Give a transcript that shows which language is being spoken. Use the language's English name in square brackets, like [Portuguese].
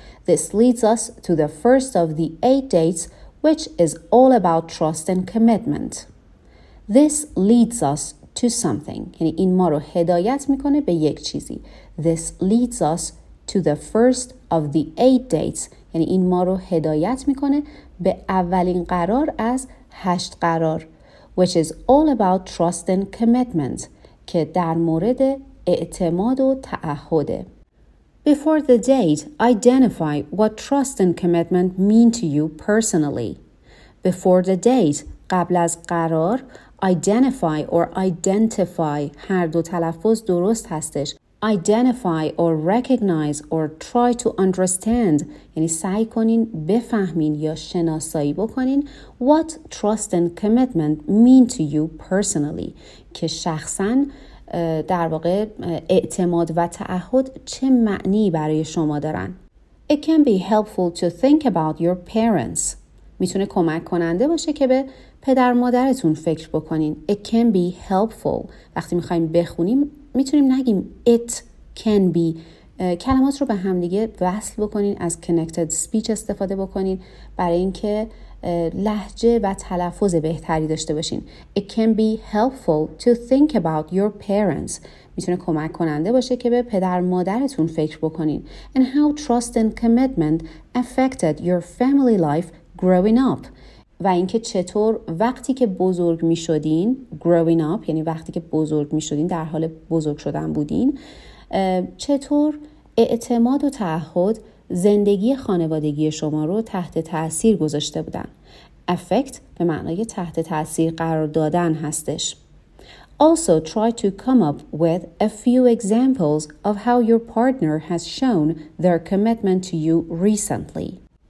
[English] This leads us to the first of the 8 dates which is all about trust and commitment. This leads us to something. [Persian] یعنی این ما رو هدایت میکنه به یک چیزی. [English] This leads us to the first of the 8 dates. [Persian] یعنی این ما رو هدایت میکنه به اولین قرار از 8 قرار. [English] Which is all about trust and commitment. [Persian] که در مورد اعتماد و تعهده. [English] Before the date, identify what trust and commitment mean to you personally. Before the date, [Persian] قبل از قرار, [English] identify or identify, [Persian] هر دو تلفظ درست هستش. [English] Identify or recognize or try to understand, [Persian] یعنی سعی کنین بفهمین یا شناسایی بکنین [English] what trust and commitment mean to you personally, [Persian] که شخصا در واقع اعتماد و تعهد چه معنی برای شما دارن. [English] It can be helpful to think about your parents. [Persian] میتونه کمک کننده باشه که به پدر مادرتون فکر بکنین. [English] It can be helpful. [Persian] وقتی میخواییم بخونیم میتونیم نگیم [English] it can be. [Persian] کلمات رو به همدیگه وصل بکنین. از connected speech استفاده بکنین برای اینکه لهجه و تلفظ بهتری داشته باشین. [English] It can be helpful to think about your parents. [Persian] میتونه کمک کننده باشه که به پدر مادرتون فکر بکنین. [English] And how trust and commitment affected your family life growing up. [Persian] و اینکه چطور وقتی که بزرگ می شدین [English] growing up, [Persian] یعنی وقتی که بزرگ می شدین در حال بزرگ شدن بودین, چطور اعتماد و تعهد زندگی خانوادگی شما رو تحت تأثیر گذاشته بودن. Affect به معنای تحت تأثیر قرار دادن هستش. [English] Also try to come up with a few examples of how your partner has shown their commitment to you recently.